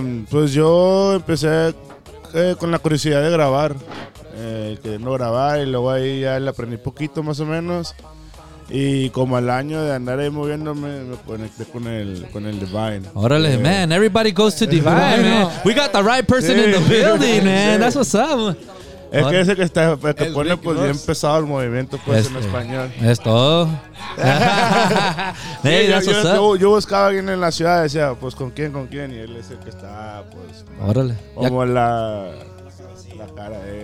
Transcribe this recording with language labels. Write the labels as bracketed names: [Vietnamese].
[Spanish] Pues yo empecé con la curiosidad de grabar, queriendo grabar, y luego ahí ya le aprendí poquito más o menos. Y como al año de andar ahí moviéndome, me conecté con el Devine. [English] Órale, man, everybody goes to Devine, man. We got the right person in the building, man. That's what's up. [Spanish] Es que ese que está, que pone Rick, pues bien pesado el movimiento, pues en español. Es todo. Sí, hey, yo buscaba a alguien en la ciudad, decía, pues con quién, y él es el que está, pues. Órale. Como ya. la cara de.